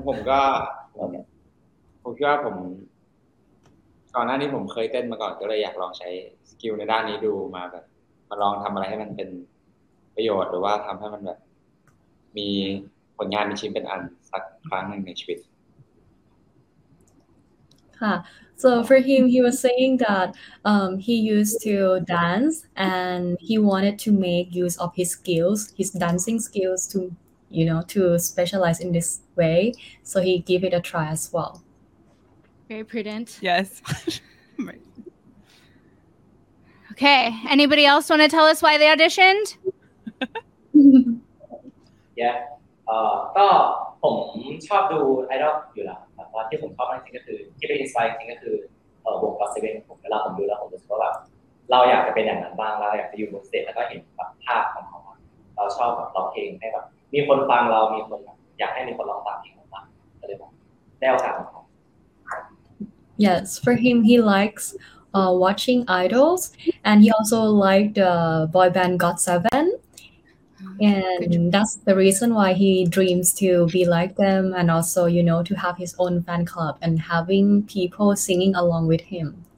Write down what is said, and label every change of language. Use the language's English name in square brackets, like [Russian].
[Thai] ผมก็ก่อนหน้านี้ผมเคยเต้นมาก่อนก็เลยอยากลองใช้สกิลในด้านนี้ดูมาแบบมาลองทําอะไรให้มันเป็นประโยชน์หรือว่าทําให้มันแบบมีผลงานมีชิ้นเป็นอันสักครั้งนึงในชีวิต [English] So for him, he was saying that he used to dance and he wanted to make use of his skills, his dancing skills to, you know, to specialize in this way. So he gave it a try as well. Very prudent. Yes. Okay. Anybody else want to tell us why they auditioned? Yeah. [Thai] ผมชอบดูไอดอลอยู่แล้วแต่ว่าที่ผมชอบมากจริงก็คือที่เป็นอินสไปร์จริงก็คือวงก็อตเซเว่นของผมเวลาผมดูแล้วผมรู้สึกว่าแบบเราอยากจะเป็นอย่างนั้นบ้างเราอยากจะอยู่บนสเตจแล้วก็เห็นแบบภาพของเขาเราชอบแบบร้องเพลงให้แบบมีคนฟังเรามีคนอยากให้มีคนร้องตามเพลงของเราก็เลยแบบได้โอกาสของเขา [English] Yes for him he likes watching idols and he also liked the boy band GOT7And that's the reason why he dreams to be like them and also, you know, to have his own fan club and having people singing along with him.